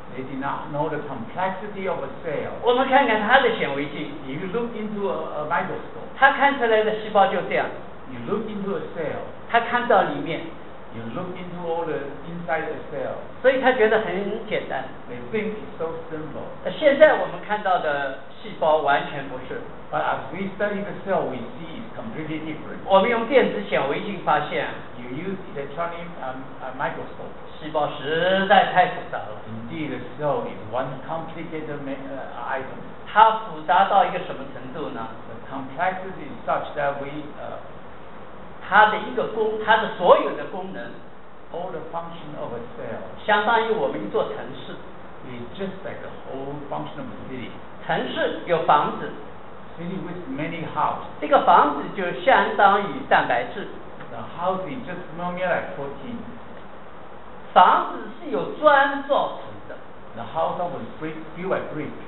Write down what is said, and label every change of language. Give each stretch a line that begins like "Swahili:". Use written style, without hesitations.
English: They did not know the complexity of a cell.
Chinese: 我们看看他的显微镜。
English: If you look into a microscope,
Chinese: 他看出来的细胞就这样。
English: You look into a cell,
Chinese: 他看到里面。
English: You look into all the inside the cell.
Chinese: 所以他觉得很简单。
English: They think it's so simple.
Chinese: 现在我们看到的细胞完全不是。
English: But as we study the cell, we see it's completely different.
Chinese: 我们用电子显微镜发现。
English: You use electronic microscope.
Chinese: 细胞实在太复杂了。
English: Indeed, the cell is one complicated item.
Chinese: 它复杂到一个什么程度呢？
English: The complexity is such that we
Chinese: 它的一个功，它的所有的功能
English: ，all the function of a cell，
Chinese: 相当于我们一座城市
English: ，is just like a whole function of a city。
Chinese: 城市有房子
English: ，city with many houses。
Chinese: 这个房子就相当于蛋白质
English: ，the house is just more like protein。
Chinese: 房子是有砖造成的
English: ，the house of a brick built by brick。